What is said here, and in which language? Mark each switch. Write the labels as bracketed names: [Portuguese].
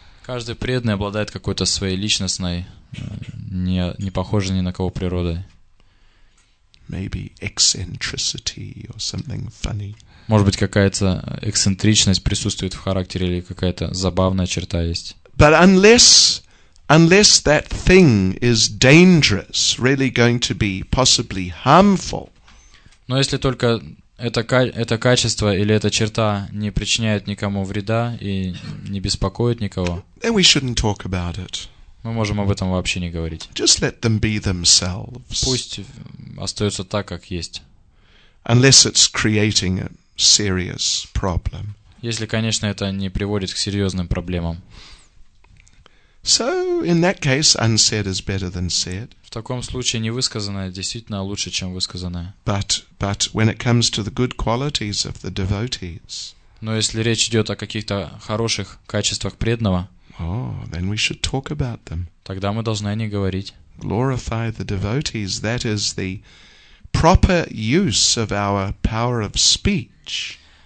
[Russian] Каждый преданный обладает какой-то своей личностной, не похожей ни на кого природой. [English] Maybe eccentricity or something funny. [Russian] Может быть, какая-то эксцентричность присутствует в характере или какая-то забавная черта есть. [English] But unless that thing is dangerous, really going to be possibly harmful. [Russian] Но если только это качество или эта черта не причиняет никому вреда и не беспокоит никого. [English] Then we shouldn't talk about it. [Russian] Мы можем об этом вообще не говорить. [English] Just let them be themselves. [Russian] Пусть остаются так, как есть. [English] Unless it's creating a serious problem. [Russian] Если, конечно, это не приводит к серьезным проблемам. [English] So in that case, unsaid is better than said. [Russian] В таком случае невысказанное действительно лучше, чем высказанное. [English] But when it comes to the good qualities of the devotees. [Russian] Но если речь идет о каких-то хороших качествах преданного. [English] Oh, then we should talk about them. [Russian] Тогда мы должны о них говорить. [English] Glorify the devotees. That is the proper use of our power of speech.